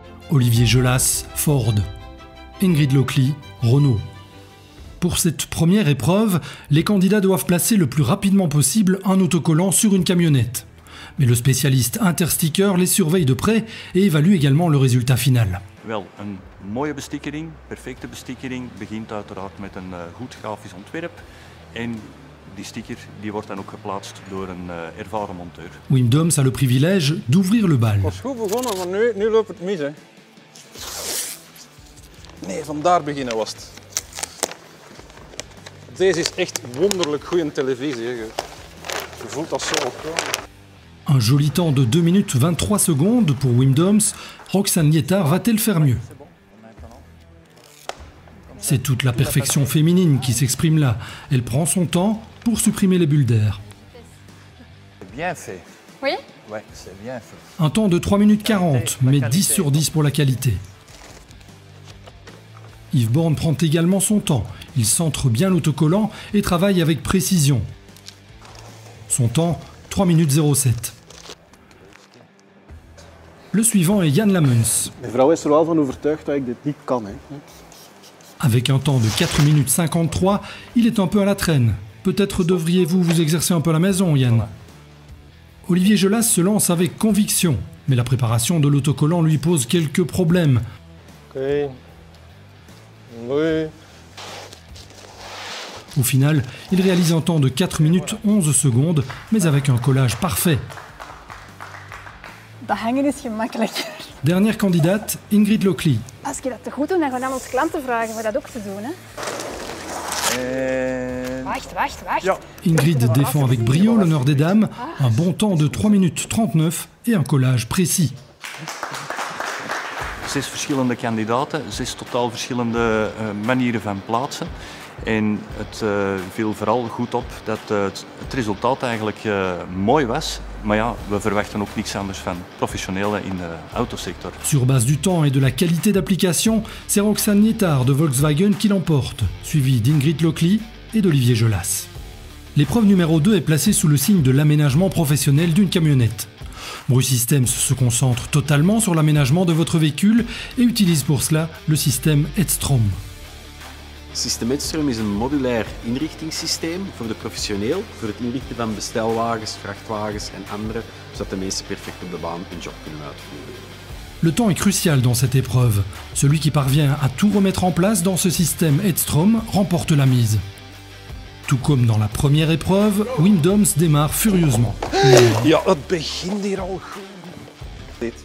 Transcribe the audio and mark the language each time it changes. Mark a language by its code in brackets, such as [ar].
[fr] Olivier Gelas, Ford. Ingrid Lockley, Renault. Pour cette première épreuve, les candidats doivent placer le plus rapidement possible un autocollant sur une camionnette. Mais le spécialiste Intersticker les surveille de près et évalue également le résultat final. [nl] Wel, een mooie bestickering, perfecte bestickering begint uiteraard met een goed grafisch ontwerp en die sticker die wordt dan ook geplaatst door een ervaren monteur. [fr] Wim Doms a le privilège d'ouvrir le bal. [nl] Het is goed begonnen, maar nu loopt het mis, hè. Nee, van daar beginnen was het. Deze is echt wonderlijk goede televisie. Je voelt dat zo op. [fr] Un joli temps de 2 minutes 23 secondes pour Wim Doms. Roxane Nietard va-t-elle faire mieux? C'est toute la perfection féminine qui s'exprime là. Elle prend son temps pour supprimer les bulles d'air. Bien fait. Oui ? Ouais, c'est bien. Un temps de 3 minutes 40, mais 10 sur 10 pour la qualité. Yves Born prend également son temps. Il centre bien l'autocollant et travaille avec précision. Son temps, 3 minutes 07. Le suivant est Yann Lamuns. [nl] Mevrouw is er wel van overtuigd dat ik dit niet kan. [fr] Avec un temps de 4 minutes 53, il est un peu à la traîne. Peut-être devriez-vous vous exercer un peu à la maison, Yann. Olivier Gelas se lance avec conviction, mais la préparation de l'autocollant lui pose quelques problèmes. Ok. Oui. Au final, il réalise un temps de 4 minutes 11 secondes, mais avec un collage parfait. [nl] Dat hangen is gemakkelijk. [fr] Dernière candidate, Ingrid Lockley. [nl] Als ik dat goed doe, dan gaan we onze klanten vragen om dat ook te doen. Hè? Wacht. Ja. [fr] Ingrid défend avec brio l'honneur des dames, un bon temps de 3 minutes 39 et un collage précis. [nl] 6 verschillende kandidaten, 6 totaal verschillende manieren van plaatsen. En het viel vooral goed op dat het resultaat eigenlijk mooi was. Maar ja, we verwachten ook niks anders van professionele in de autosector. [fr] Sur base du temps et de la qualité d'application, c'est Roxane Nietard de Volkswagen qui l'emporte, suivi d'Ingrid Lockley et d'Olivier Gelas. L'épreuve numéro 2 est placée sous le signe de l'aménagement professionnel d'une camionnette. Bruce Systems se concentre totalement sur l'aménagement de votre véhicule et utilise pour cela le système Edstrom. [nl] System Edstrom is een modulair inrichtingssysteem voor de professioneel, voor het inrichten van bestelwagens, vrachtwagens en andere, zodat de mensen perfect op de baan hun job kunnen uitvoeren. [fr] Le temps est crucial dans cette épreuve. Celui qui parvient à tout remettre en place dans ce système Edstrom remporte la mise. Tout comme dans la première épreuve, Wim Doms démarre furieusement. [nl] Hey, ja, het begint hier al goed.